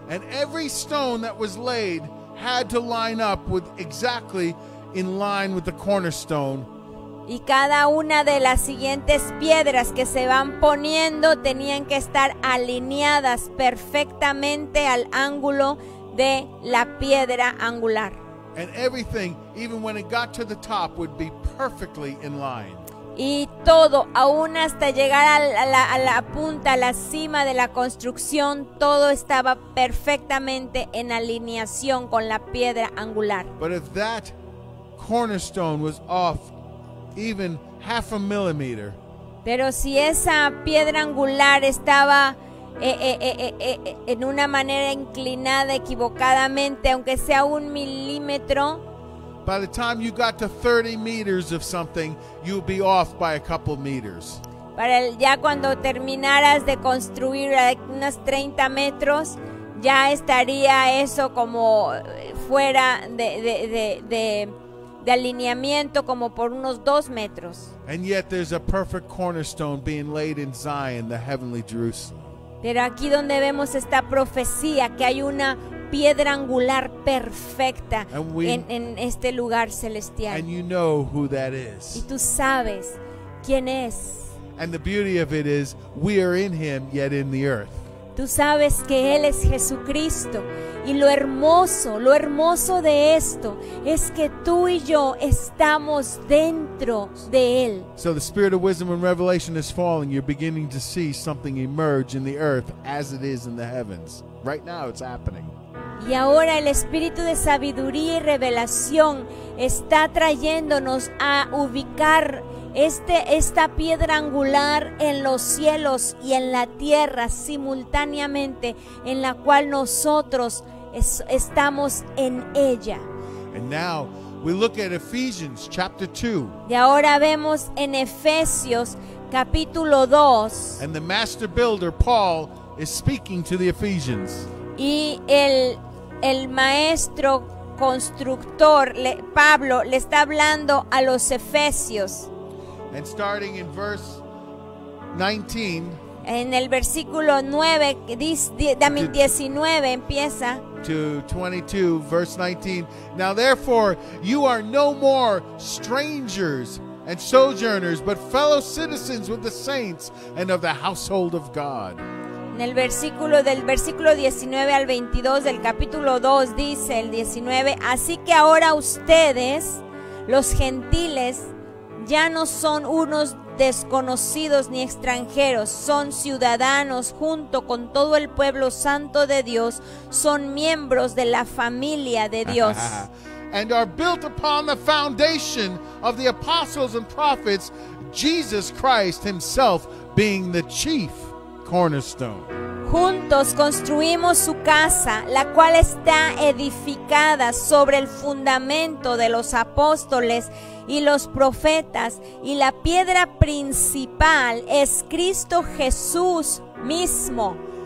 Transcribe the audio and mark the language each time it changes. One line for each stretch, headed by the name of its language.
English: And every stone that was laid had to line up with exactly in line with the cornerstone.
Spanish: Y cada una de las siguientes piedras que se van poniendo tenían que estar alineadas perfectamente al ángulo de la piedra angular.
English: And everything, even when it got to the top, would be perfectly in line.
Spanish: Y todo, aún hasta llegar a la punta, a la cima de la construcción, todo estaba perfectamente en alineación con la piedra angular.
English: But if that cornerstone was off even half a millimeter,
Spanish: pero si esa piedra angular estaba en una manera inclinada equivocadamente, aunque sea un milímetro,
English: by the time you got to 30 meters of something, you'll be off by a couple meters.
Spanish: Ya cuando terminaras de construir unas 30 metros, ya estaría eso como fuera de alineamiento, como por unos 2 metros.
English: And yet there's a perfect cornerstone being laid in Zion, the heavenly Jerusalem.
Spanish: Pero aquí donde vemos esta profecía, que hay una piedra angular perfecta en este lugar celestial.
English: And you know who that is.
Spanish: Y tú sabes quién es.
English: And the beauty of it is, we are in him, yet in the earth.
Spanish: Tú sabes que Él es Jesucristo. Y lo hermoso de esto es que tú y yo estamos dentro de Él.
English: So the spirit of wisdom and revelation is falling. You're beginning to see something emerge in the earth as it is in the heavens. Right now it's happening.
Spanish: Y ahora el espíritu de sabiduría y revelación está trayéndonos a ubicar esta piedra angular en los cielos y en la tierra simultáneamente, en la cual nosotros estamos en ella.
English: And now we look at Ephesians chapter 2.
Spanish: Y ahora vemos en Efesios capítulo 2.
English: And the master builder Paul is speaking to the Ephesians.
Spanish: Y el maestro constructor Pablo le está hablando a los Efesios.
English: And starting in verse 19.
Spanish: En el versículo 9, dice 19 empieza.
English: To 22, verse 19. Now therefore, you are no more strangers and sojourners, but fellow citizens with the saints and of the household of God.
Spanish: En el versículo del versículo 19 al 22 del capítulo 2 dice el 19, así que ahora ustedes, los gentiles, ya no son unos desconocidos ni extranjeros, son ciudadanos junto con todo el pueblo santo de Dios, son miembros de la familia de Dios.
English: And are built upon the foundation of the apostles and prophets, Jesus Christ himself being the chief cornerstone.
Spanish: Juntos construimos su casa, la cual está edificada sobre el fundamento de los apóstoles y los profetas, y la piedra principal es Cristo Jesús mismo.